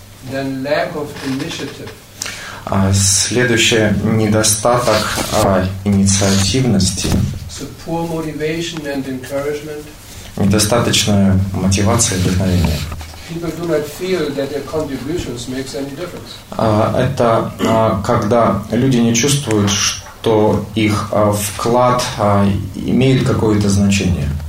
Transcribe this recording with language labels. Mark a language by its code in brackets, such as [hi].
[en] Then lack of initiative. [ru] Следующее – недостаток инициативности. [en] So poor motivation and encouragement. [ru] Недостаточная мотивация и вдохновение. [en] People do not feel that their contributions makes any difference. [ru] Это когда люди не чувствуют, что их вклад имеет какое-то значение.